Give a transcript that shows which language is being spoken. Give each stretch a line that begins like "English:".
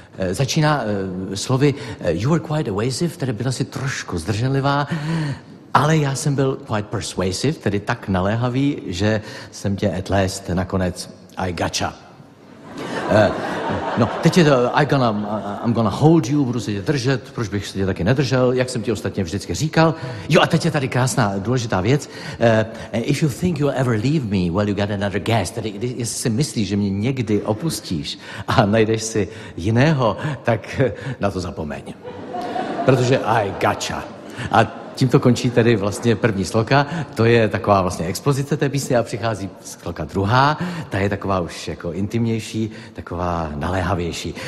Czech: Začíná slovy
English: you were quite evasive,
Czech: tedy byla si trošku zdrženlivá, ale já jsem byl
English: quite persuasive,
Czech: tedy tak naléhavý, že jsem tě
English: at last
Czech: nakonec
English: I gotcha.
Czech: No, teď je to,
English: I'm gonna hold you,
Czech: budu se tě držet, proč bych se tě taky nedržel, jak jsem ti ostatně vždycky říkal. Jo, a teď je tady krásná, důležitá věc.
English: If you think you'll ever leave me, well, you got another guest.
Czech: Tedy, jestli si myslíš, že mě někdy opustíš a najdeš si jiného, tak na to zapomeň. Protože
English: I gotcha.
Czech: A tímto končí tedy vlastně první sloka, to je taková vlastně expozice té písně a přichází sloka druhá, ta je taková už jako intimnější, taková naléhavější.